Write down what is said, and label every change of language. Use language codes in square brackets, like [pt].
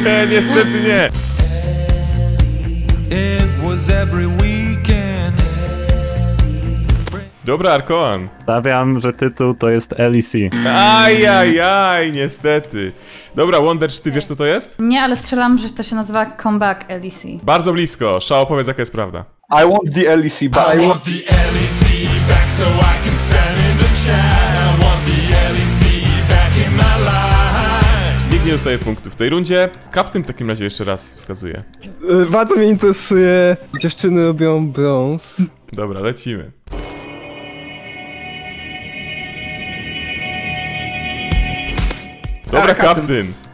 [pl] Niestety nie. [en] It was every weekend. [pl] Dobra, Arkoan. Stawiam, że tytuł to jest LEC. Ajajaj, niestety. Dobra, Wonder, czy ty wiesz, co to jest? Nie, ale strzelam, że to się nazywa Comeback LEC. Bardzo blisko. Shao, powiedz, jaka jest prawda. [en] I want the LEC back. I want the LEC back so I can stand in the chat. I want the LEC back in my life. [pl] Nikt nie dostaje punktów w tej rundzie. Kapten w takim razie jeszcze raz wskazuje. Bardzo mnie interesuje. Dziewczyny robią brąz. Dobra, lecimy. Dobra, kapitan.